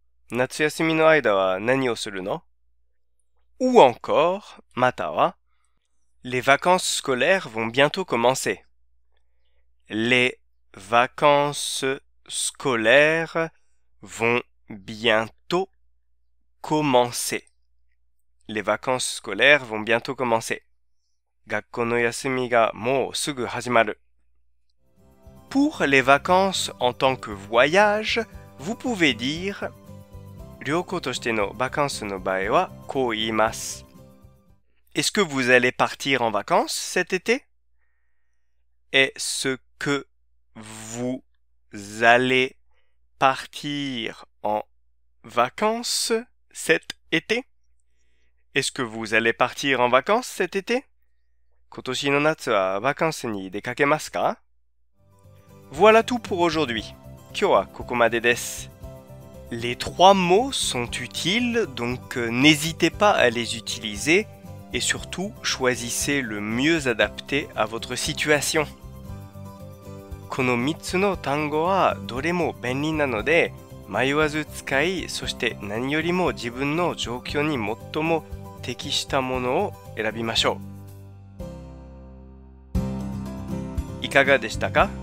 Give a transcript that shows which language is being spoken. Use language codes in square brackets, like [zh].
[ja] 夏休みの間は何をするの? [fr] Ou encore, [ja] または, [fr] les vacances scolaires vont bientôt commencer. Les vacances scolaires vont bientôt commencer. Les vacances scolaires vont bientôt commencer. [ja] 学校の休みがもうすぐ始まる。 [fr] Pour les vacances en tant que voyage, vous pouvez dire... [ja] 旅行としての vacances の場合はこう言います。 [fr] Est-ce que vous allez partir en vacances cet été? Est-ce que vous allez partir en vacances cet été? Est-ce que vous allez partir en vacances cet été? [ja] 今年の夏はバカンスに出かけますか? [fr] Voilà tout pour aujourd'hui. [ja] 今日はここまでです。 [fr] Les trois mots sont utiles, donc n'hésitez pas à les utiliser et surtout choisissez le mieux adapté à votre situation. [ja] この3つの単語はどれも便利なので、迷わず使い、そして何よりも自分の状況に最も適したものを選びましょう。いかがでしたか?